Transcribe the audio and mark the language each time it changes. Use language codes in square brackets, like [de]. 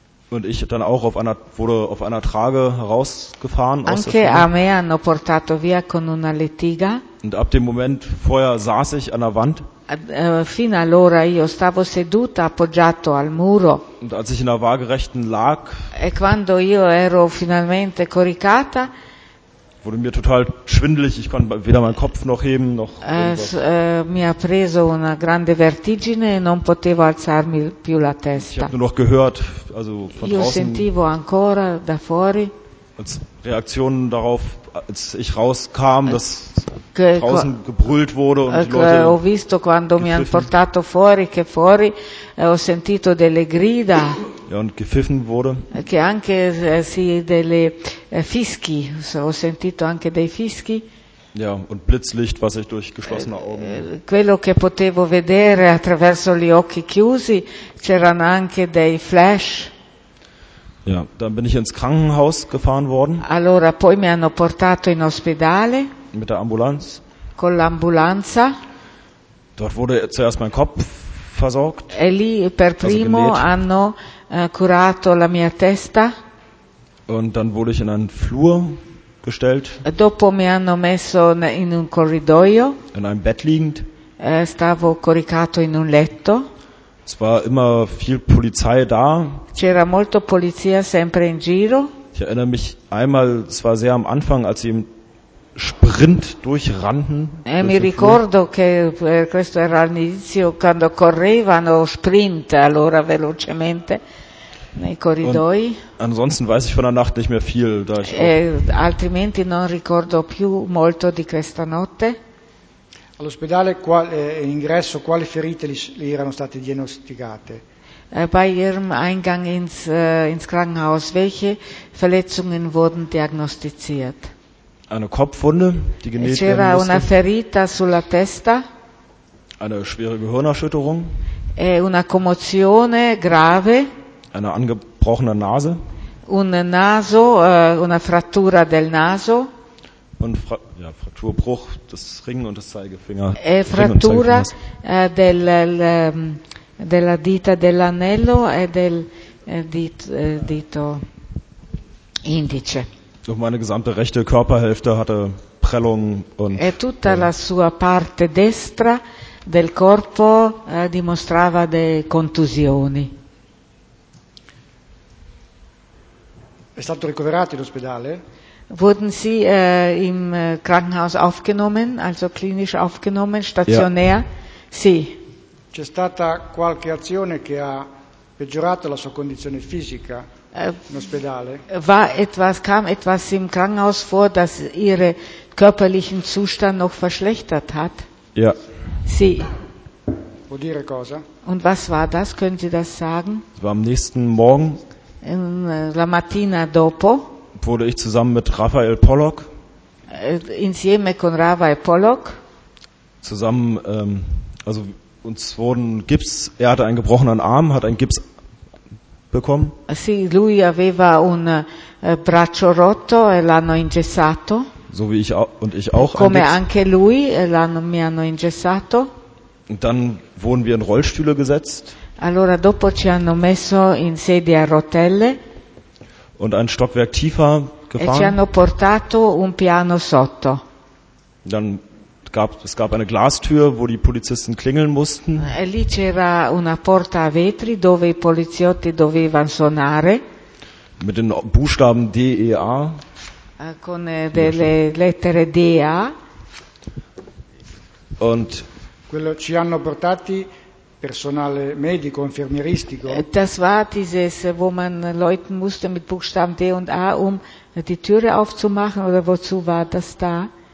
[de] Und ich dann auch wurde auf einer Trage herausgefahren. [it] Anche a me hanno portato via con una lettiga. [de] Und ab dem Moment vorher saß ich an der Wand. [it] Fino allora io stavo seduta appoggiato al muro. [de] Und als ich in der waagerechten lag. [it] E quando io ero finalmente coricata. [de] Wurde mir total schwindelig, ich konnte weder meinen Kopf noch heben noch. [it] Mi ha preso una grande vertigine e non potevo alzarmi più la testa. [de] Ich habe nur noch gehört, also von [it] io [de] draußen. [it] Io sentivo ancora da fuori. [de] Als Reaktion darauf, als ich rauskam, dass che, draußen gebrüllt wurde und die Leute. [it] Ho visto quando mi hanno portato fuori che fuori ho sentito delle grida. [de] Ja, und gepfiffen wurde. [it] Che anche sì delle fischi, ho sentito anche dei fischi. [de] Ja, und Blitzlicht, was ich durch geschlossene Augen. [it] Quello che potevo vedere attraverso gli occhi chiusi, c'erano anche dei flash. [de] Ja, dann bin ich ins Krankenhaus gefahren worden. [it] Allora poi mi hanno portato in ospedale. [de] Mit der Ambulanz. [it] Con l'ambulanza. [de] Dort wurde zuerst mein Kopf versorgt. [it] E lì per primo hanno curato la mia testa. [de] Und dann wurde ich in einen Flur gestellt. [it] Dopo mi hanno messo in un corridoio. [de] In einem Bett liegend. [it] Stavo coricato in un letto. [de] Es war immer viel Polizei da. [it] C'era molto polizia sempre in giro. [de] Ich erinnere mich einmal, es war sehr am Anfang, als sie im Sprint durchrannten. [it] Mi ricordo che questo era all'inizio quando correvano sprint allora velocemente nei corridoi. [de] Und ansonsten weiß ich von der Nacht nicht mehr viel, da ich [it] altrimenti non ricordo più molto di questa notte. All'ospedale all'ingresso quali ferite gli erano state diagnosticate? [de] Bei ihrem Eingang ins Krankenhaus welche Verletzungen wurden diagnostiziert? Eine Kopfwunde, die genäht [it] c'era [de] werden musste. [it] Una ferita sulla testa. [de] Eine schwere Gehirnerschütterung. [it] E una commozione grave. [de] Eine angebrochene Nase. [it] Un naso, una frattura del naso. [de] Und Frakturbruch des Ring- und des Zeigefinger. [it] E frattura della dita dell'anello e del dito indice. [de] Und meine gesamte rechte Körperhälfte hatte Prellungen und. [it] E tutta la sua parte destra del corpo dimostrava delle contusioni. È stato ricoverato in ospedale? [de] Wurden Sie im Krankenhaus aufgenommen, also klinisch aufgenommen, stationär? Ja. Sì. [it] C'è stata qualche azione che ha peggiorato la sua condizione fisica in ospedale? [de] Kam etwas im Krankenhaus vor, das ihre körperlichen Zustand noch verschlechtert hat? Ja. [it] Sì. Vuol dire cosa? [de] Und was war das? Können Sie das sagen? Es war am nächsten Morgen. [it] La mattina dopo. [de] Wurde ich zusammen mit Raphael Pollock [it] insieme con Raphael Pollock [de] zusammen also uns wurden Gips, er hatte einen gebrochenen Arm, hat einen Gips bekommen. [it] Sì, lui aveva un braccio rotto e l'hanno ingessato. [de] so wie ich auch, und ich auch [it] come anche lui mi hanno ingessato. [de] Und dann wurden wir in Rollstühle gesetzt. [it] Allora dopo ci hanno messo in sedie a rotelle. [de] Und ein Stockwerk tiefer gefahren. [it] E ci hanno portato un piano sotto. [de] Dann es gab eine Glastür, wo die Polizisten klingeln mussten. [it] E lì c'era una porta a vetri dove i poliziotti dovevano suonare. [de] Mit den Buchstaben D E A. [it] Con delle lettere D A. [de] Und [it] quello ci hanno portati personale medico infermieristico. [de] Das war dieses, wo man Leuten musste mit Buchstaben D und A, um die Türe aufzumachen, oder wozu war das da?